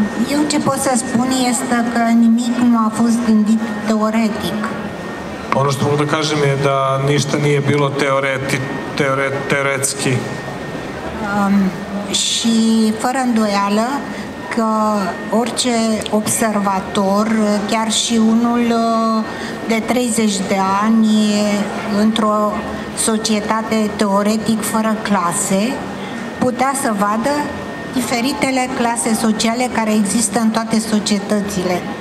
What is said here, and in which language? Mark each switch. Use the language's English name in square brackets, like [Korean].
[Romanian] Eu ce pot să spun este că nimic nu a fost gândit teoretic. [Serbian] Ono što mogu da kažem je da ništa nije bilo teoretski. [Romanian] Și fără îndoială că orice observator, chiar și unul de 30 de ani, e într-o societate teoretic fără clase, putea să vadă diferitele clase sociale care există în toate societățile.